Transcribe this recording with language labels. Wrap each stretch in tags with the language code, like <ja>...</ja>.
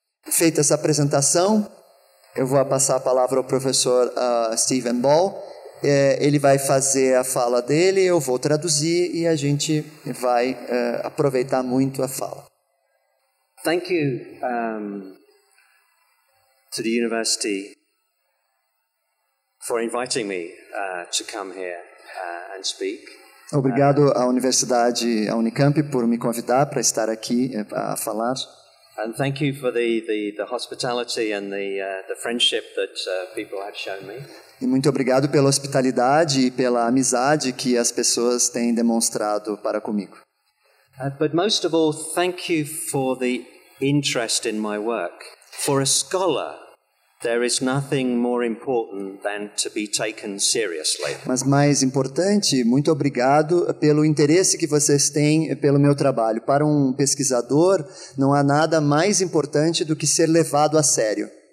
<pt>Feita essa apresentação, eu vou passar a palavra ao professor Stephen Ball. Ele vai fazer a fala dele, eu vou traduzir e a gente vai aproveitar muito a fala.</pt> <en>Thank you to the university for inviting me to come here and speak.</en> <pt>Obrigado à Universidade, à UNICAMP, por me convidar para estar aqui a falar.</pt> <en>And thank you for the hospitality and the friendship that people have shown me.</en> <pt>E muito obrigado pela hospitalidade e pela amizade que as pessoas têm demonstrado para comigo.</pt> <en>But most of all, thank you for the interest in my work. For a scholar, there is nothing more important than to be taken seriously.</en> <pt>Mas mais importante, muito obrigado pelo interesse que vocês têm pelo meu trabalho. Para um pesquisador, não há nada mais importante do que ser levado a sério.</pt>